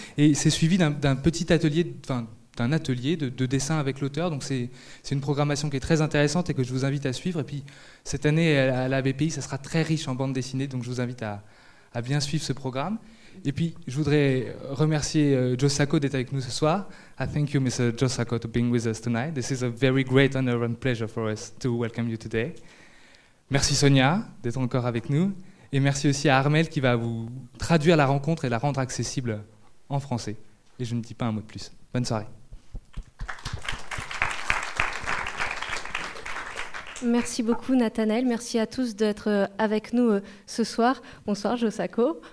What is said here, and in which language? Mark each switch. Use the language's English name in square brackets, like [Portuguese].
[French] Et c'est suivi d'un petit atelier, d'un atelier de dessin avec l'auteur. Donc c'est une programmation qui est très intéressante et que je vous invite à suivre. Et puis cette année à la BPI, ça sera très riche en bande dessinée, donc je vous invite à bien suivre ce programme. Et puis je voudrais remercier Joe Sacco d'être avec nous ce soir. [English] I thank you, Mr. Joe Sacco, to being with us tonight. This is a very great honor and pleasure for us to welcome you today. [French] Merci Sonia d'être encore avec nous. Et merci aussi à Armel qui va vous traduire la rencontre et la rendre accessible en français. Et je ne dis pas un mot de plus. Bonne soirée. Merci beaucoup, Nathanaël. Merci à tous d'être avec nous ce soir. Bonsoir, Joe Sacco.